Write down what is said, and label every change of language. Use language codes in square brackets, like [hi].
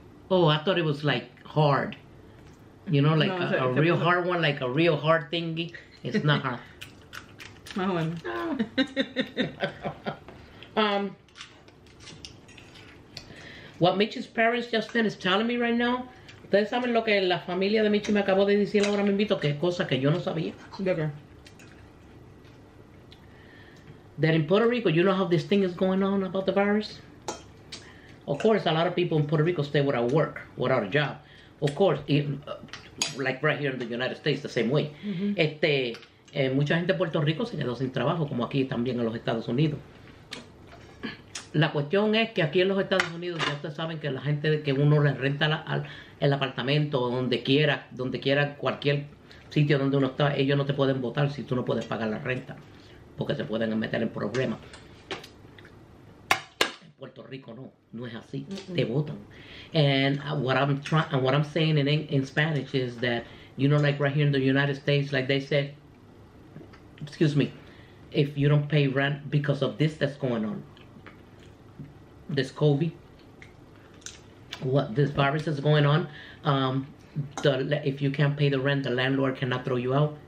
[en] Oh, I thought it was like hard. You know, like a real hard one, like a real hard thingy. It's not hard. My one. What Mitch's parents just finished telling me right now. [es] ¿Ustedes saben lo que la familia de Michi me acabó de decir ahora me invito? Que es cosa que yo no sabía. ¿De qué? [en] That in Puerto Rico, you know how this thing is going on about the virus? Of course, a lot of people in Puerto Rico stay without work, without a job. Of course, like right here in the United States, the same way. Mm-hmm. [es] Mucha gente de Puerto Rico se quedó sin trabajo, como aquí también en los Estados Unidos. La cuestión es que aquí en los Estados Unidos, ya ustedes saben que la gente que uno le renta el apartamento, donde quiera, cualquier sitio donde uno está, ellos no te pueden botar si tú no puedes pagar la renta, porque se pueden meter en problemas. En Puerto Rico no es así, te botan. [en] And what I'm saying in Spanish is that, you know, like right here in the United States, like they said, excuse me, if you don't pay rent because of this that's going on, this COVID, what this virus is going on, if you can't pay the rent, the landlord cannot throw you out.